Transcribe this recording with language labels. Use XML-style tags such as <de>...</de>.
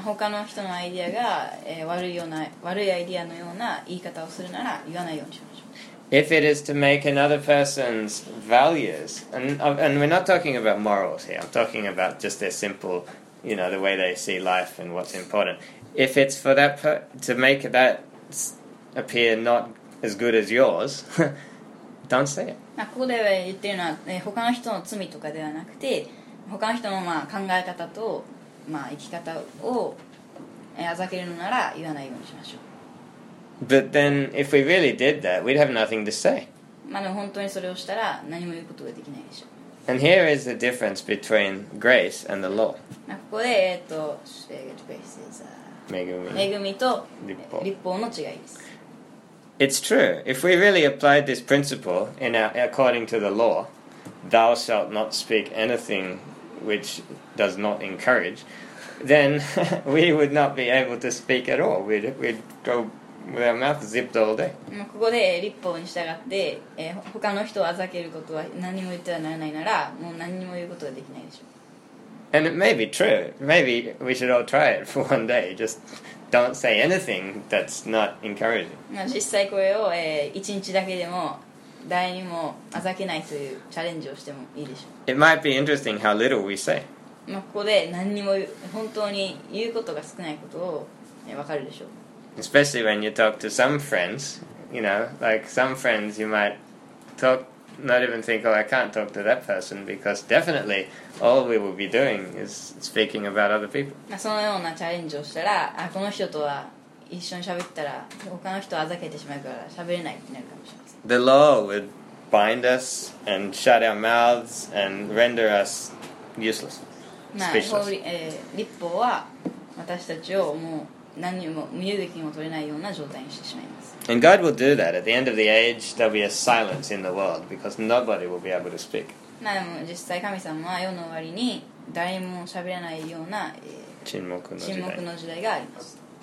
<ja>他の人のアイデアが、悪いアイデアのような言い方をするなら言わないようにしましょう。</ja> <en>If it is to make another person's values, and we're not talking about morals here, I'm talking about just their simple... You know, the way they see life and what's important. If it's for that to make that appear not as good as yours, don't say it.</en> <ja>ここでは言ってるのは、他の人の罪とかではなくて、他の人の考え方と生き方をあざけるのなら言わないようにしましょう。</ja> <en>But then, if we really did that, we'd have nothing to say.</en> <ja>でも本当にそれをしたら何も言うことができないでしょう。</ja> <en>And here is the difference between grace and the law.</en> <ja>ここで、</ja> <en>grace is,</en> <ja>恵みと律法の違いです。</ja> <en>It's true. If we really applied this principle according to the law, thou shalt not speak anything which does not encourage, then we would not be able to speak at all. We'd go with our mouth zipped all day.</en> <ja>ここで立法に従って、他の人を欺けることは何も言ってはならないなら、もう何も言うことはできないでしょう。</ja> <en>And it may be true. Maybe we should all try it for one day. Just don't say anything that's not encouraging.</en> <ja>実際これを、1日だけでも誰にもあざけないというチャレンジをしてもいいでしょう。</ja> <en>It might be interesting how little we say.</en> <ja>ここで何にも本当に言うことが少ないことを、分かるでしょう。</ja> <en>Especially when you talk to some friends, you know, like some friends you might talk not even think, oh, I can't talk to that person because definitely all we will be doing is speaking about other people.</en> <ja>そのようなチャレンジをしたら、あ、この人とは一緒に喋ったら他の人をあざけてしまうから喋れないってなるかもしれません。</ja> <en>The law would bind us and shut our mouths and render us useless, speechless.</en> <ja>法律は私たちをもう何にも身動きも取れないような状態にしてしまいます。</ja> <en>And God will do that. At the end of the age, there'll be a silence in the world because nobody will be able to speak.</en> <ja>まあでも実際神様は世の終わりに誰も喋らないような、沈黙の時代があります。</ja>